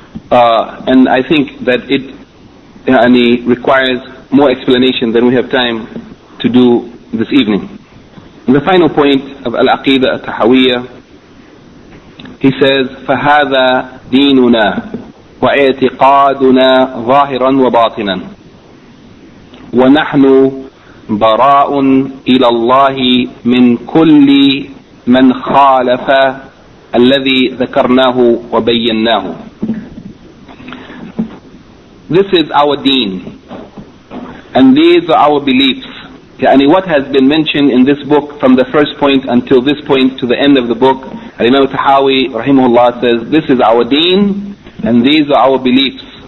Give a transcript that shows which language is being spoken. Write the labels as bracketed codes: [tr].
[en] And I think that it requires more explanation than we have time to do this evening. The final point of Al-Aqidah At-Tahawiyyah, he says, [ar] فَهَذَا دِينُنَا وَاِعْتِقَادُنَا ظَاهِرًا وَبَاطِنًا وَنَحْنُ بَرَاءٌ إِلَى اللَّهِ مِنْ كُلِّ مَنْ خَالَفَ الَّذِي ذَكَرْنَاهُ وَبَيَّنَّاهُ. [en] This is our deen, and these are our beliefs. يعني what has been mentioned in this book from the first point until this point to the end of the book, Al-Imam At-Tahawi rahimahullah says, this is our deen, and these are our beliefs.